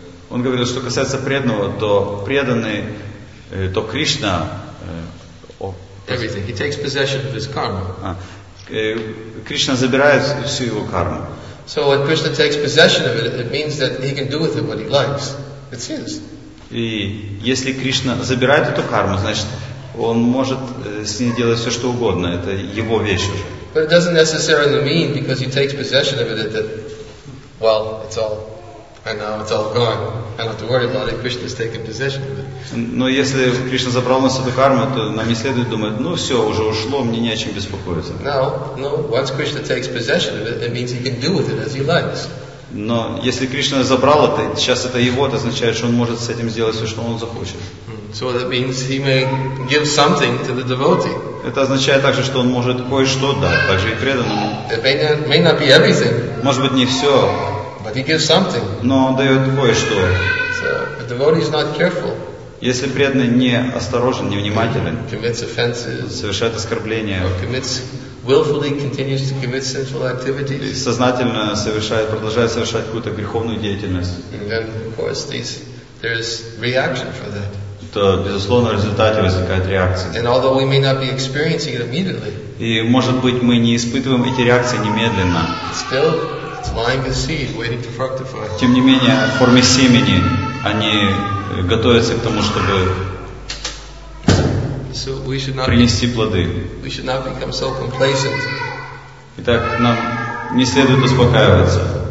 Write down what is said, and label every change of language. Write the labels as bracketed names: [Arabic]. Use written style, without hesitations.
[Russian] Он говорил, что касается преданного, то преданный, то Кришна. [English] Everything. He takes possession of his karma. [Russian] Кришна забирает всю его карму. [English] So when Krishna takes possession of it, it means that he can do with it what he likes. It's his. [Russian] И если Кришна забирает эту карму, значит, он может с ней делать все, что угодно. Это его вещь уже. [English] But it doesn't necessarily mean because he takes possession of it that well, it's all, and now it's all gone. I don't have to worry about it. Krishna's taking possession of it. [Russian] Но если Кришна забрал у нас эту карму, то нам не следует думать, ну все, уже ушло, мне не о чем беспокоиться. [English] No, once Krishna takes possession of it, it means he can do with it as he likes. [Russian] Но если Кришна забрал это, сейчас это его, это означает, что он может с этим сделать все, что он захочет. [English] So that means he may give something to the devotee. [Russian] Это означает также, что он может кое-что дать, также и преданному. [English] It may not be everything. [Russian] Может быть, не все. [English] But he gives something. [Russian] Но он дает кое-что. [English] So the devotee is not careful. [Russian] Если преданный не осторожен, не внимателен, [English] commits offenses, [Russian] совершает оскорбления, [English] or commits willfully continues to commit sinful activities, [Russian] сознательно совершает, продолжает совершать какую-то греховную деятельность, [English] then, of course, there is reaction for that. [Russian] То, безусловно, в результате возникает реакция. [English] And although we may not be experiencing it immediately, [Russian] и, может быть, мы не испытываем эти реакции немедленно, [English] still, it's lying a seed waiting to fructify. [Russian] Тем не менее, в форме семени они готовятся к тому, чтобы принести плоды. Итак, нам не следует успокаиваться.